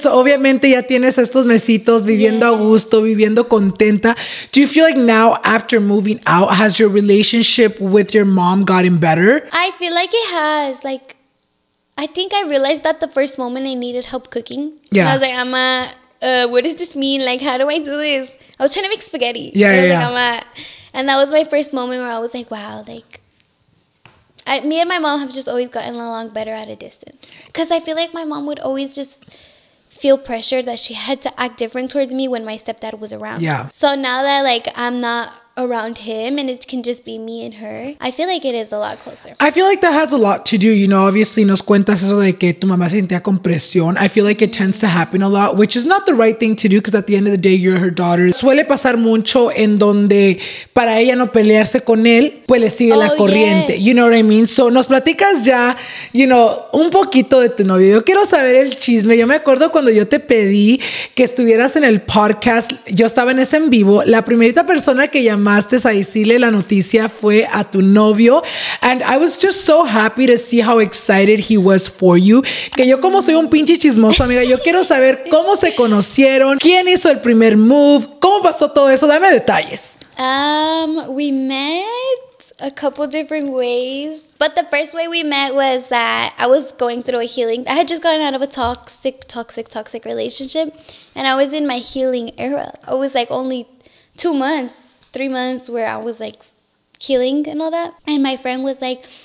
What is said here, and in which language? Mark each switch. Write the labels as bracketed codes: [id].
[es] So obviamente ya tienes estos mesitos viviendo a gusto, viviendo contenta. [en] Do you feel like now after moving out, has your relationship with your mom gotten better? I feel like it has. Like, I think I realized that the first moment I needed help cooking. Yeah. I was like, Amma, what does this mean? Like, how do I do this? I was trying to make spaghetti. Yeah, and yeah. I was yeah. Like, Amma. And that was my first moment where I was like, wow, like, me and my mom have just always gotten along better at a distance. Because I feel like my mom would always just feel pressured that she had to act different towards me when my stepdad was around. Yeah. So now that, like, I'm not around him and it can just be me and her, I feel like it is a lot closer. I feel like that has a lot to do, you know, obviously nos cuentas eso de que tu mamá sentía compresión. I feel like it tends to happen a lot, which is not the right thing to do, because at the end of the day, you're her daughter. [es] Suele pasar mucho en donde para ella no pelearse con él, pues le sigue la corriente. [en] Yes. You know what I mean? So [es] nos platicas ya, [en] you know, [es] un poquito de tu novio. Yo quiero saber el chisme. Yo me acuerdo cuando yo te pedí que estuvieras en el podcast, yo estaba en ese en vivo, la primerita persona que llamé a decirle la noticia fue a tu novio, [en] and I was just so happy to see how excited he was for you. [es] Que yo, como soy un pinche chismoso, amiga, yo quiero saber cómo se conocieron, quién hizo el primer move, cómo pasó todo eso. Dame detalles. [en] We met a couple different ways, but the first way we met was that I was going through a healing. I had just gotten out of a toxic relationship, and I was in my healing era. I was like only 3 months where I was like healing and all that. And my friend was like,